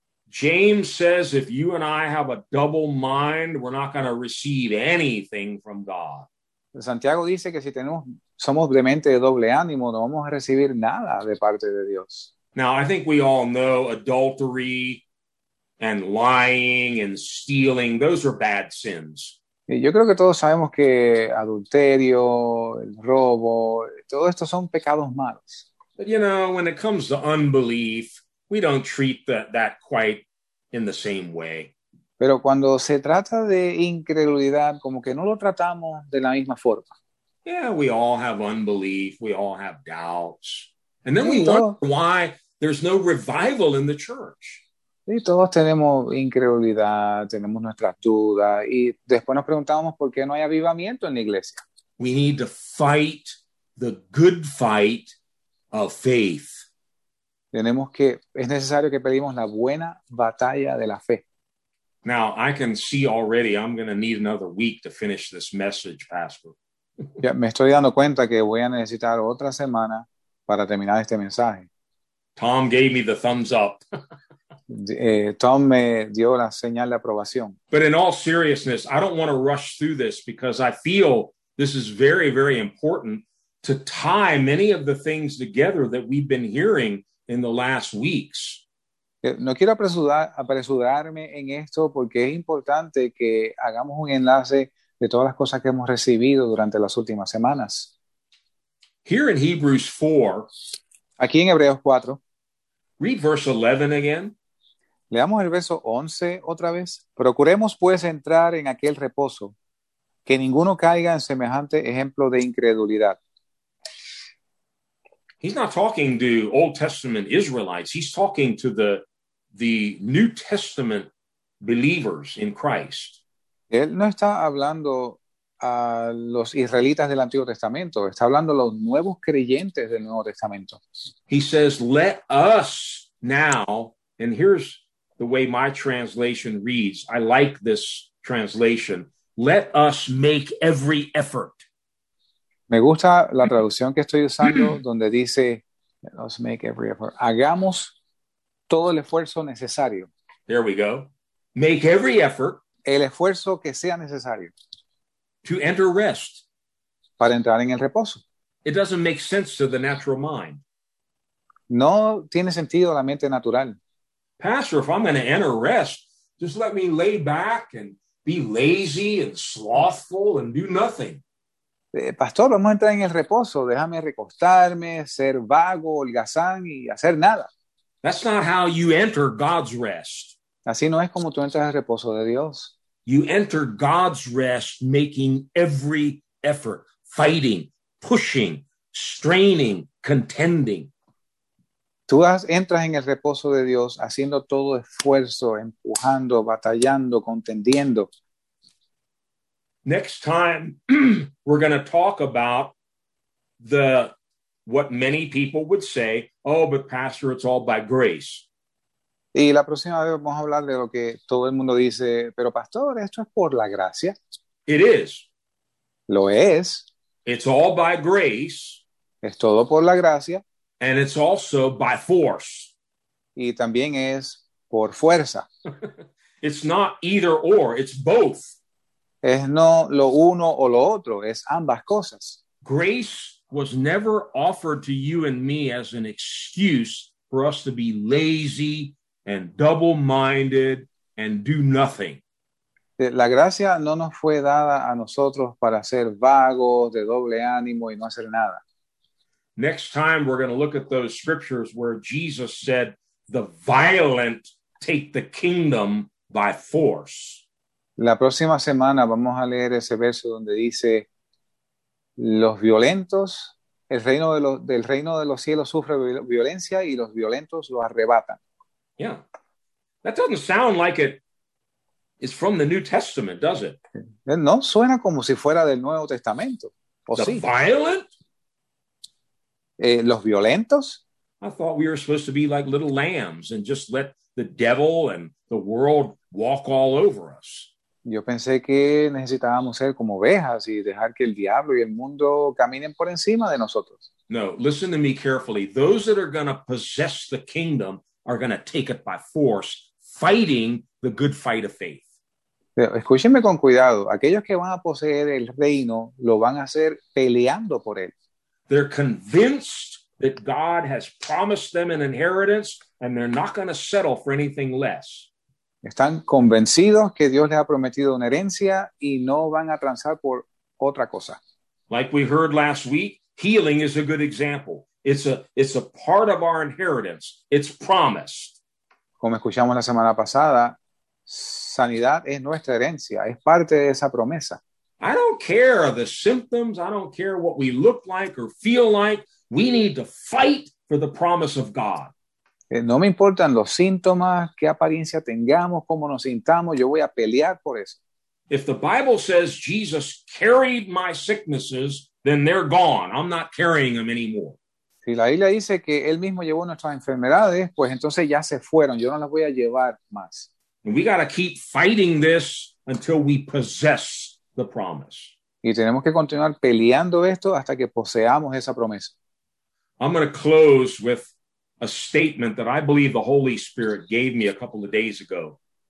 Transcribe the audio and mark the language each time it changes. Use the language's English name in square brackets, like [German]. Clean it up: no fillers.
[English] James says if you and I have a double mind, we're not going to receive anything from God. [Spanish] Santiago dice que si tenemos, somos de mente de doble ánimo, no vamos a recibir nada de parte de Dios. [English] Now, I think we all know adultery and lying and stealing, those are bad sins. [Spanish] Yo creo que todos sabemos que adulterio, el robo, todo esto son pecados malos. [English] But you know, when it comes to unbelief, we don't treat that quite in the same way. [Spanish] Pero cuando se trata de incredulidad, como que no lo tratamos de la misma forma. [English] Yeah, we all have unbelief, we all have doubts. And then we wonder why there's no revival in the church. [Spanish] Sí, todos tenemos incredulidad, tenemos nuestras dudas, y después nos preguntamos por qué no hay avivamiento en la iglesia. [English] We need to fight the good fight of faith. [Spanish] Tenemos que, es necesario que peleemos la buena batalla de la fe. [English] Now, I can see already I'm going to need another week to finish this message, Pastor. [Spanish] Ya, me estoy dando cuenta que voy a necesitar otra semana para terminar este mensaje. [English] Tom gave me the thumbs up. [Spanish] Tom me dio la señal de aprobación. [English] But in all seriousness, I don't want to rush through this because I feel this is very, very important to tie many of the things together that we've been hearing in the last weeks. [Spanish] No quiero apresurarme en esto porque es importante que hagamos un enlace de todas las cosas que hemos recibido durante las últimas semanas. [English] Here in Hebrews 4, [Spanish] aquí en Hebreos 4, [English] read verse 11 again. [Spanish] Leamos el verso 11 otra vez. Procuremos pues entrar en aquel reposo, que ninguno caiga en semejante ejemplo de incredulidad. [English] He's not talking to Old Testament Israelites. He's talking to the New Testament believers in Christ. [Spanish] Él no está hablando a los israelitas del Antiguo Testamento. Está hablando a los nuevos creyentes del Nuevo Testamento. [English] He says, let us now, and here's the way my translation reads. I like this translation. Let us make every effort. [Spanish] Me gusta la traducción que estoy usando, donde dice, [English] let us make every effort. [Spanish] Hagamos todo el esfuerzo necesario. [English] There we go. Make every effort. [Spanish] El esfuerzo que sea necesario. [English] To enter rest. [Spanish] Para entrar en el reposo. [English] It doesn't make sense to the natural mind. [Spanish] No tiene sentido la mente natural. [English] Pastor, if I'm going to enter rest, just let me lay back and be lazy and slothful and do nothing. [Spanish] Pastor, vamos a entrar en el reposo. Déjame recostarme, ser vago, holgazán y hacer nada. [English] That's not how you enter God's rest. [Spanish] Así no es como tú entras al reposo de Dios. [English] You enter God's rest making every effort, fighting, pushing, straining, contending. [Spanish] Tú entras en el reposo de Dios haciendo todo esfuerzo, empujando, batallando, contendiendo. [English] Next time, we're going to talk about what many people would say, oh, but pastor, it's all by grace. [Spanish] Y la próxima vez vamos a hablar de lo que todo el mundo dice, pero pastor, esto es por la gracia. [English] It is. [Spanish] Lo es. [English] It's all by grace. [Spanish] Es todo por la gracia. [English] And it's also by force. [Spanish] Y también es por fuerza. [English] It's not either or, it's both. [Spanish] Es no lo uno o lo otro, es ambas cosas. [English] Grace was never offered to you and me as an excuse for us to be lazy and double-minded and do nothing. [Spanish] La gracia no nos fue dada a nosotros para ser vagos, de doble ánimo y no hacer nada. [English] Next time we're going to look at those scriptures where Jesus said, the violent take the kingdom by force. [Spanish] La próxima semana vamos a leer ese verso donde dice, los violentos, del reino de los cielos sufre violencia y los violentos lo arrebatan. [English] Yeah, that doesn't sound like it is from the New Testament, does it? [Spanish] No, suena como si fuera del Nuevo Testamento. [English] The [Spanish] sí. [English] Violent? [Spanish] Los violentos? [English] I thought we were supposed to be like little lambs and just let the devil and the world walk all over us. [Spanish] Yo pensé que necesitábamos ser como ovejas y dejar que el diablo y el mundo caminen por encima de nosotros. [English] No, listen to me carefully. Those that are going to possess the kingdom are going to take it by force, fighting the good fight of faith. [Spanish] Escúchenme con cuidado. Aquellos que van a poseer el reino lo van a hacer peleando por él. [English] They're convinced that God has promised them an inheritance and they're not going to settle for anything less. [Spanish] Están convencidos que Dios les ha prometido una herencia y no van a transar por otra cosa. [English] Like we heard last week, healing is a good example. It's a part of our inheritance. It's promised. [Spanish] Como escuchamos la semana pasada, sanidad es nuestra herencia. Es parte de esa promesa. [English] I don't care the symptoms. I don't care what we look like or feel like. We need to fight for the promise of God. [Spanish] No me importan los síntomas, qué apariencia tengamos, cómo nos sintamos, yo voy a pelear por eso. [English] If the Bible says Jesus carried my sicknesses, then they're gone. I'm not carrying them anymore. [Spanish] Si la Biblia dice que él mismo llevó nuestras enfermedades, pues entonces ya se fueron, yo no las voy a llevar más. [English] And we got to keep fighting this until we possess the promise. [Spanish] Y tenemos que continuar peleando esto hasta que poseamos esa promesa. [English] I'm going to close with a statement that I believe the Holy Spirit gave me a couple of days ago.